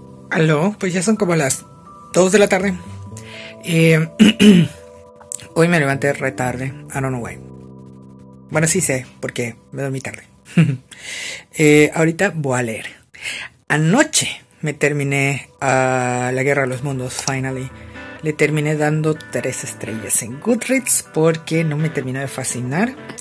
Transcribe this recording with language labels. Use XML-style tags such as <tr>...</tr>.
<es>Aló, pues ya son como las 2 de la tarde. Hoy me levanté re tarde,</es> <en>I don't know why.</en> <es>Bueno, sí sé, porque me dormí tarde. ahorita voy a leer. Anoche me terminé La Guerra de los Mundos,</es> <en>finally.</en> <es>Le terminé dando 3 estrellas en Goodreads porque no me terminó de fascinar.</es>